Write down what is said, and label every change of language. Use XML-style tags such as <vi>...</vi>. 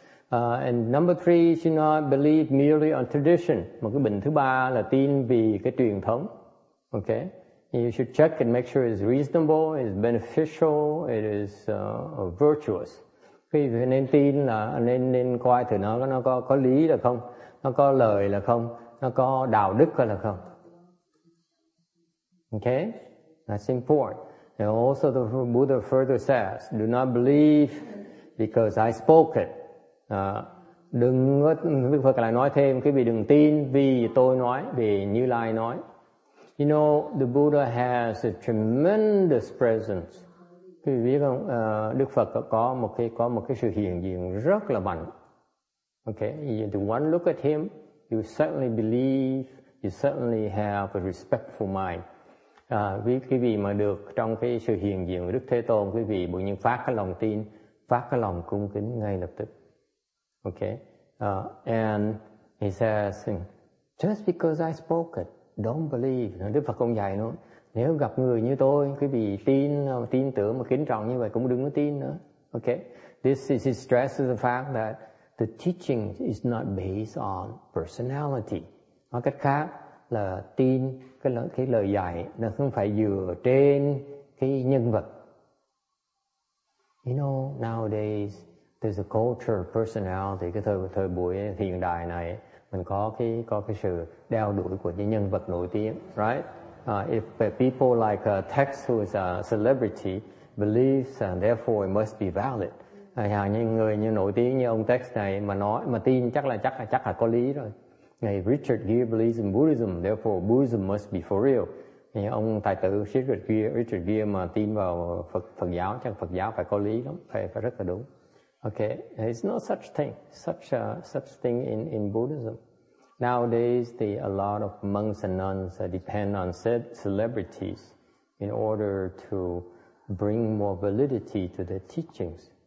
<en>And number three, you should not believe merely on tradition.</en> <vi>Một cái bệnh thứ ba là tin vì cái truyền thống. Okay?</vi> <en>You should check and make sure it's reasonable, it's beneficial, it is virtuous.</en> <vi>Khi nên tin là nên coi thử nó có lý là không, nó có lời là không, nó có đạo đức là không.</vi> <en>Okay, that's important. And also the Buddha further says, do not believe because I spoke it.</en> <vi>Đức Phật lại nói thêm, quý vị đừng tin vì tôi nói, vì Như Lai nói.</vi> <en>You know, the Buddha has a tremendous presence.</en> <vi>Quý vị biết không, Đức Phật có một cái sự hiện diện rất là mạnh.</vi> <en>Okay, you one look at him, you certainly believe, you certainly have a respectful mind.</en> <vi>Quý vị mà được trong cái sự hiện diện của Đức Thế Tôn, quý vị bỗng nhiên phát cái lòng tin, phát cái lòng cung kính ngay lập tức.</vi> <en>Okay. And he says, just because I spoke it, don't believe.</en> <vi>Đức Phật không dạy nữa. Nếu gặp người như tôi, quý vị tin tưởng mà kính trọng như vậy cũng đừng có tin nữa.</vi> <en>Okay. This is stress of the fact that the teaching is not based on personality.</en> <vi>Nói cách khác là tin cái lời dạy nó không phải dựa trên cái nhân vật.</vi> <en>You know, nowadays there's a culture of personality.</en> <vi>Cái thời buổi hiện đại này mình có cái sự đeo đuổi của những nhân vật nổi tiếng, right?</vi> <en>If people like Tex, who is a celebrity, believes and therefore it must be valid.</en> <vi>Những người như nổi tiếng như ông Tex này mà nói mà tin chắc là có lý rồi.</vi> <en>Richard Gere believes in Buddhism, therefore Buddhism must be for real.</en> <vi>Ông tài tử Richard Gere mà tin vào Phật giáo, chắc Phật giáo phải có lý lắm, phải rất là đúng.</vi> <en>Okay, there's no such thing, such thing in Buddhism. Nowadays, a lot of monks and nuns depend on celebrities in order to bring more validity to their teachings.</en>